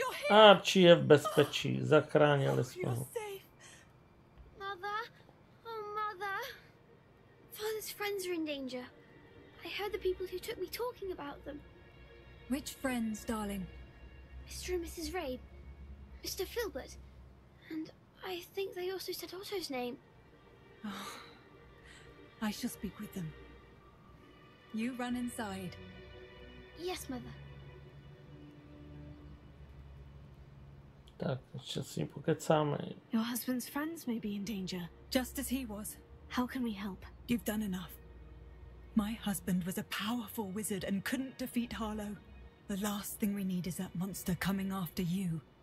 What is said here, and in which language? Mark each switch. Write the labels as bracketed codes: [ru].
[cs] Archie je v bezpečí, zachránili jsme ho. [en] Mother, oh mother. Father's friends are in danger. I heard the people who took me talking about them. Which friends, darling? Mr. and Mrs. Ray, Mr. Filbert, and I think they also said Otto's name. Oh, I shall speak with them. You run inside. Yes, mother. [cs] Tak, ještě s ním pokecáme. [en] Your husband's friends may be in danger, just as he was. How can we help? You've done enough. My husband was a powerful wizard and couldn't defeat Harlow. The last thing we need is that monster coming after you.